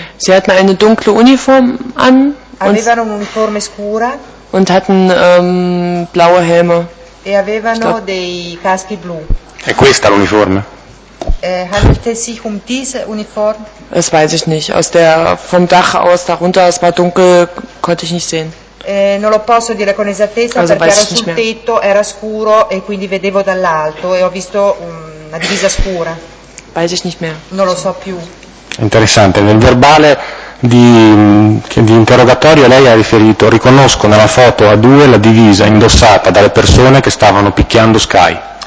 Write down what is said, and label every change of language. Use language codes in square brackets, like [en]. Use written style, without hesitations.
[de] Sie hatten eine dunkle Uniform an. [it] Avevano un'uniforme scura. [de] Und hatten blaue Helme. [it] E avevano dei caschi blu. È questa l'uniforme? [de] Handelte sich um diese Uniform? Das weiß ich nicht. Vom Dach aus darunter, es war dunkel, konnte ich nicht sehen. [it] Non lo posso dire con esattezza, also perché era sul tetto, era scuro e quindi vedevo dall'alto e ho visto una divisa scura. [de] Weiß ich nicht mehr. [it] Non lo so più. Interessante. Nel verbale di interrogatorio lei ha riferito: riconosco nella foto A2 la divisa indossata dalle persone che stavano picchiando Sky.